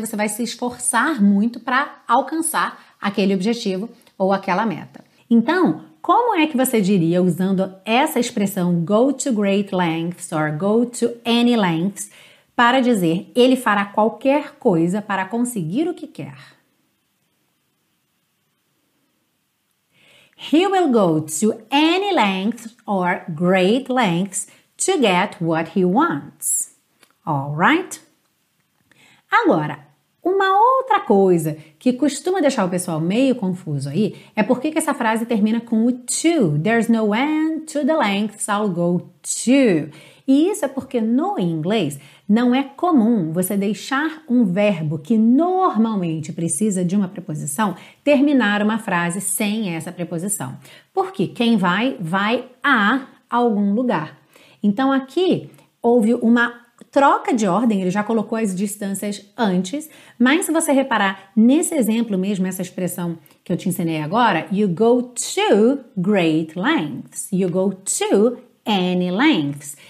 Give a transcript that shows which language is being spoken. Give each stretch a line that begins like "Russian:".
Portuguese: Você vai se esforçar muito para alcançar aquele objetivo ou aquela meta. Então, como é que você diria, usando essa expressão
English: go to great lengths or go to any lengths,
Portuguese: para dizer ele fará qualquer coisa para conseguir o que quer?
English: He will go to any length or great lengths to get what he wants. Alright?
Portuguese: Agora, uma outra coisa que costuma deixar o pessoal meio confuso aí é por que essa frase termina com o to.
English: There's no end to the lengths I'll go to.
Portuguese: E isso é porque no inglês não é comum você deixar um verbo que normalmente precisa de uma preposição terminar uma frase sem essa preposição. Porque quem vai a algum lugar. Então aqui houve uma troca de ordem, ele já colocou as distâncias antes, mas se você reparar nesse exemplo mesmo, essa expressão que eu te ensinei agora,
English: you go to great lengths, you go to any lengths.